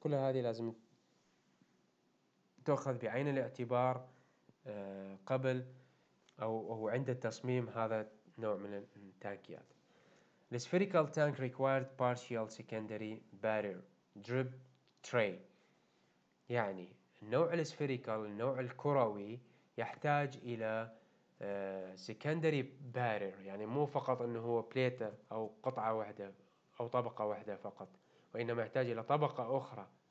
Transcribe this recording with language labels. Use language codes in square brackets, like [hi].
[ar] كل هذه لازم تأخذ بعين الاعتبار قبل أو عند التصميم هذا نوع من التانكيات. [en] The spherical tank required partial secondary barrier drip tray. [ar] يعني النوع السفيريكال، النوع الكروي، يحتاج إلى secondary barrier، يعني مو فقط أنه هو بليتة أو قطعة واحدة أو طبقة واحدة فقط، وإنما يحتاج إلى طبقة أخرى.